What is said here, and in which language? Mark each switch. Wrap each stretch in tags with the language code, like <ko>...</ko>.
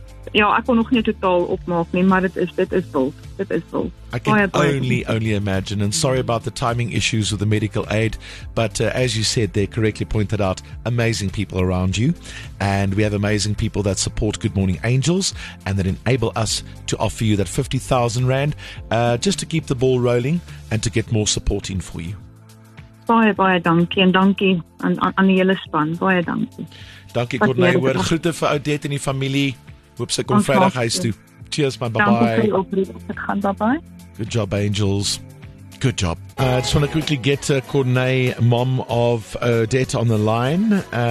<af>ek kon nog nie totaal opmaak nie, maar dit is bold.</af> <en>I can only imagine, and sorry about the timing issues with the medical aid, but as you said, they correctly pointed out amazing people around you, and we have amazing people that support Good Morning Angels and that enable us to offer you that 50,000 rand just to keep the ball rolling and to get more support in for you.</en> <af>Baie, baie dankie, en dankie aan die hele span, baie dankie. Dankie, Courtney, word groete vir Odette en die familie, hoop sy kom vrijdag huis toe. Cheers, man.</af> <en>Bye-bye. Good job, angels. Good job. I just want to quickly get Courtney, mom of Odette, on the line.</en>